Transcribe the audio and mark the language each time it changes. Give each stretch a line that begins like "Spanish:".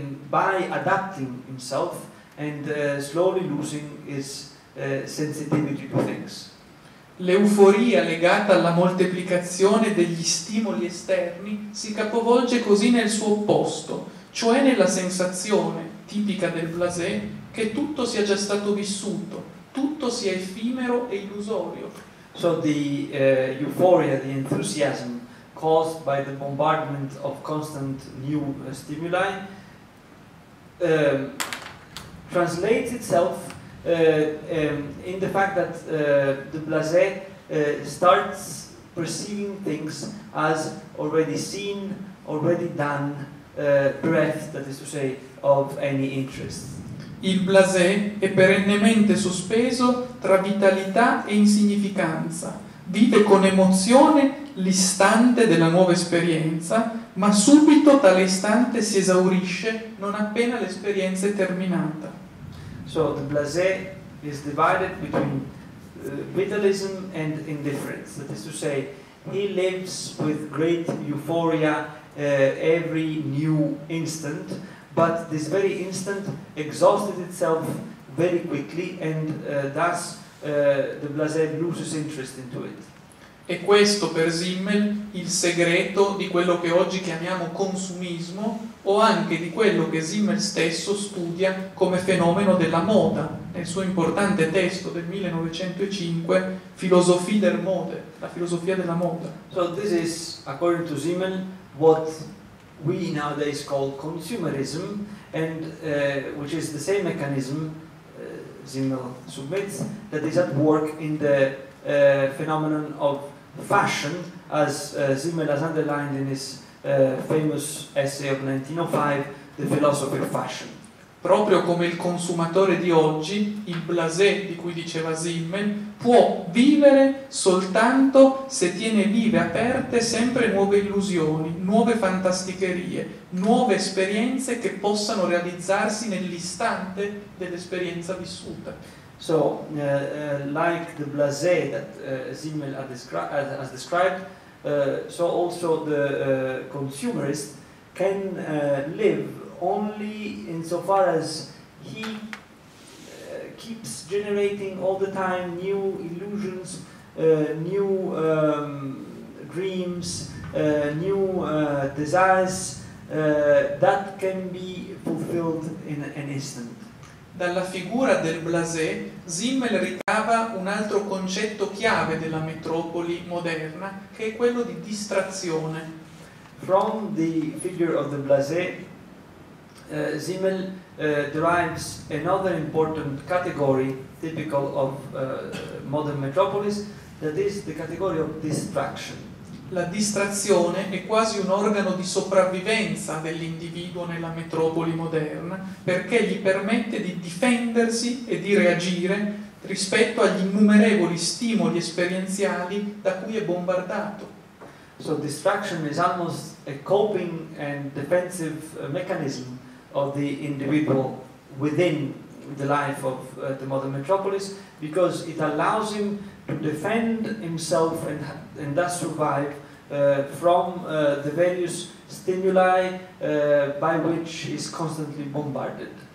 English: by adapting himself and slowly losing his sensitivity to things.
Italian: L'euforia legata alla moltiplicazione degli stimoli esterni si capovolge così nel suo opposto, cioè nella sensazione tipica del blasé che tutto sia già stato vissuto, tutto sia effimero e illusorio.
English: So the euphoria, the enthusiasm caused by the bombardment of constant new stimuli translates itself in the fact that the blasé starts perceiving things as already seen, already done, breath, that is to say, of any interest.
Italian: Il blasé è perennemente sospeso tra vitalità e insignificanza, vive con emozione l'istante della nuova esperienza, ma subito tale istante si esaurisce non appena l'esperienza è terminata.
English: So the blasé is divided between vitalism and indifference, that is to say, he lives with great euphoria every new instant, but this very instant exhausted itself very quickly and thus the blasé loses interest into it.
Italian: E questo per Zimmel il segreto di quello che oggi chiamiamo consumismo o anche di quello che Zimmel stesso studia come fenomeno della moda nel suo importante testo del 1905 Philosophie der Mode, la filosofia della moda.
English: So this is, according to Zimmel, what we nowadays call consumerism, and which is the same mechanism, Zimmel submits, that is at work in the phenomenon of fashion, as Zimmel has underlined in his famous essay of 1905, The Philosophy of Fashion.
Italian: Proprio come il consumatore di oggi, il blasé di cui diceva Zimmel, può vivere soltanto se tiene vive aperte sempre nuove illusioni, nuove fantasticherie, nuove esperienze che possano realizzarsi nell'istante dell'esperienza vissuta.
English: So, like the blasé that Zimmel has described, so also the consumerist can live only insofar as he keeps generating all the time new illusions, new dreams, new desires that can be fulfilled in an instant.
Italian: Dalla figura del blasé, Zimmel ricava un altro concetto chiave della metropoli moderna, che è quello di distrazione.
English: From the figure of the blasé, Zimmel derives another important category typical of modern metropolis, that is the category of distraction.
Italian: la distrazione è quasi un organo di sopravvivenza dell'individuo nella metropoli moderna, perché gli permette di difendersi e di reagire rispetto agli innumerevoli stimoli esperienziali da cui è bombardato.
English: So distraction is almost a coping and defensive mechanism of the individual within the life of the modern metropolis, because it allows him to defend himself and thus survive from the various stimuli by which he's constantly bombarded.